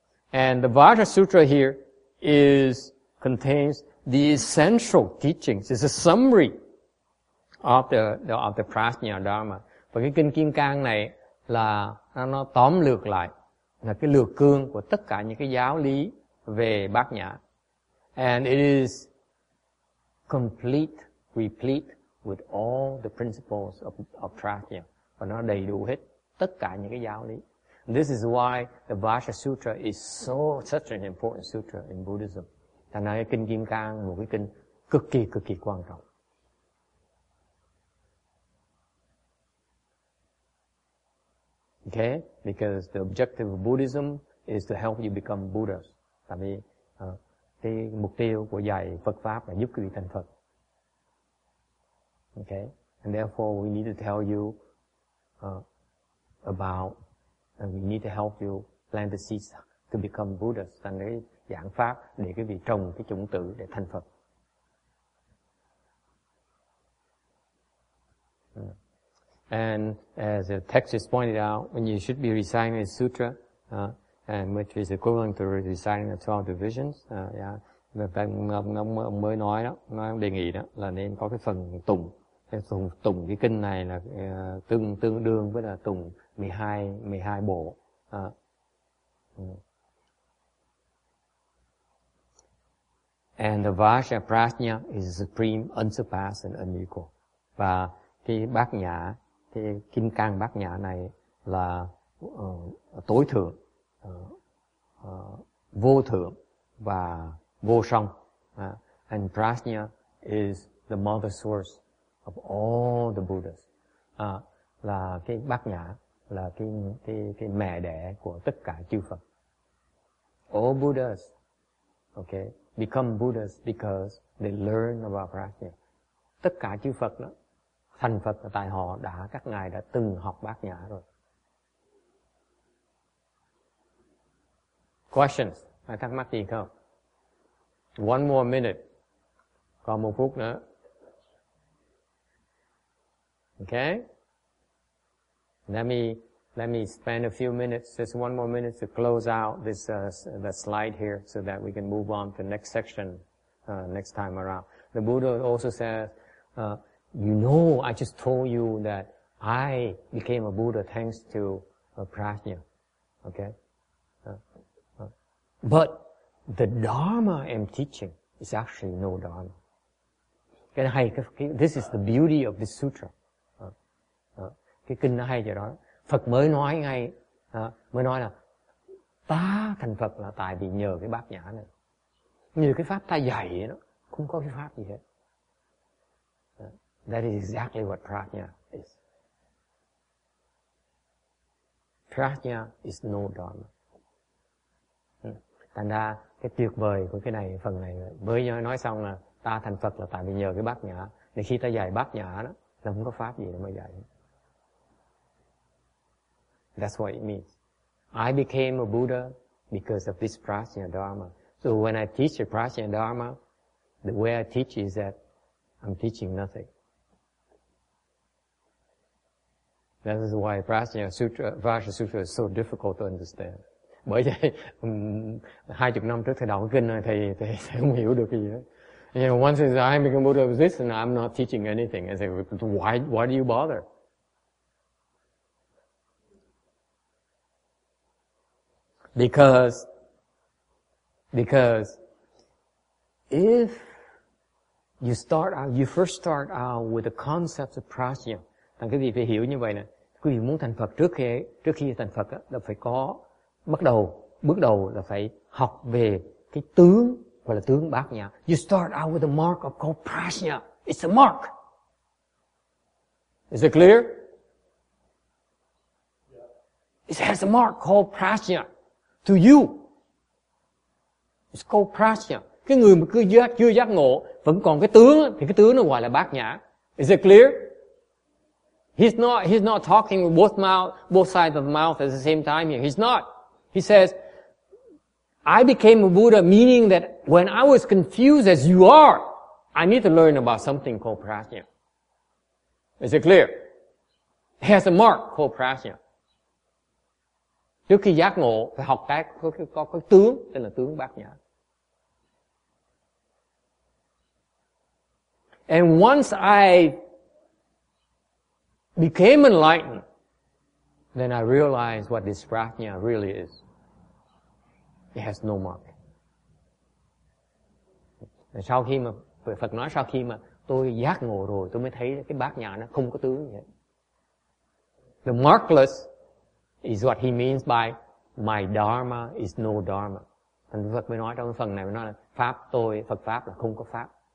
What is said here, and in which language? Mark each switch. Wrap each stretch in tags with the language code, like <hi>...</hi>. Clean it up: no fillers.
<en>And the Vajra Sutra here contains the essential teachings. It's a summary of the prajna dharma.</en> <vi>Và cái kinh Kim Cang này là nó tóm lược lại, là cái lược cương của tất cả những cái giáo lý về bát nhã.</vi> <en>And it is complete, replete with all the principles of prajna.</en> <vi>Và nó đầy đủ hết tất cả những cái giáo lý.</vi> <en>And this is why the Vajra Sutra is such an important sutra in Buddhism.</en> <vi>Thành ra cái kinh Kim Cang một cái kinh cực kỳ quan trọng.</vi> <en>Okay, because the objective of Buddhism is to help you become Buddhas.</en> <vi>Tại vì cái mục tiêu của dạy Phật pháp là giúp quý vị thành Phật.</vi> <en>Okay, and therefore we need to tell you about, and we need to help you plant the seeds to become Buddhas.</en> <vi>Thành cái giảng pháp để quý vị trồng cái chủng tử để thành Phật.</vi> <en>And as the text is pointed out, when you should be reciting a sutra, and which is equivalent to reciting the 12 divisions,</en> <vi>ông mới nói đó, nói đề nghị đó là nên có cái phần tụng, cái phần tụng cái kinh này là tương đương với là tụng 12 bộ.</vi> <en>And the Vajra Prajna is supreme, unsurpassed, and unequal.</en> <vi>Và cái bát nhã, cái Kim Cang Bát Nhã này là tối thượng, vô thượng và vô song.</vi> <en>And prajna is the mother source of all the Buddhas.</en> <vi>Là cái Bát Nhã là cái mẹ đẻ của tất cả chư Phật.</vi> <en>All Buddhas, okay, become Buddhas because they learn about prajna.</en> <vi>Tất cả chư Phật đó thành Phật là tại họ đã, các ngài đã từng học bát nhã rồi.</vi> <en>Questions?</en> <vi>Ai thắc mắc gì không?</vi> <en>One more minute.</en> <vi>Còn một phút nữa.</vi> <en>Okay? Let me spend a few minutes, just one more minute to close out this the slide here so that we can move on to the next section next time around. The Buddha also says, you know, I just told you that I became a Buddha thanks to prajna, okay? But the Dharma I'm teaching is actually no Dharma. This is the beauty of this sutra.</en> <vi>Cái kinh hay chỗ đó. Phật mới nói ngay, mới nói là ta thành Phật là tại vì nhờ cái bát nhã này. như cái pháp ta dạy nó không có cái pháp gì hết.</vi> <en>That is exactly what prajna is. Prajna is no dharma.</en> <vi>Thành ra cái tuyệt vời của cái này, phần này mới nói xong là ta thành Phật là tại vì nhờ cái bát nhã. Thì khi ta dạy bát nhã đó là không có pháp gì để mà dạy.</vi> <en>That's what it means. I became a Buddha because of this prajna dharma. So when I teach the prajna dharma, the way I teach is that I'm teaching nothing. That is why prajna sutra, Vajra sutra is so difficult to understand.</en> <vi>Bởi vậy 20 năm trước thầy đọc cái kinh này thầy không hiểu được cái gì hết.</vi> <en>You know, one says I become Buddha of this and I'm not teaching anything. I say, why do you bother? Because if you first start out with the concept of prajna,</en> <vi>thằng cái gì phải hiểu như vậy nè. Quý vị muốn thành Phật trước khi thành Phật á, là phải có bước đầu là phải học về cái tướng gọi là tướng bát nhã.</vi> <en>You start out with the mark of called prajna. It's a mark. Is it clear? Yeah. It has a mark called prajna to you. It's called prajna.</en> <vi>Cái người mà chưa giác ngộ vẫn còn cái tướng thì cái tướng nó gọi là bát nhã.</vi> <en>Is it clear? He's not talking with both sides of the mouth at the same time here. He's not. He says, I became a Buddha, meaning that when I was confused as you are, I need to learn about something called prajna. Is it clear? He has a mark called prajna.</en> <vi>Trước khi giác ngộ, phải học có cái tướng, tên là tướng bát nhã.</vi> <en>And once I became enlightened, then I realized what this prajna really is. It has no mark.</en> <vi>Sau khi mà Phật nói, sau khi mà tôi giác ngộ rồi, tôi mới thấy cái bát nhã nó không có tướng gì hết.</vi> <en>The markless is what he means by my dharma is no dharma.</en> <vi>Thành Phật mới nói trong phần này, mới nói là pháp tôi, Phật pháp là không có pháp.</vi>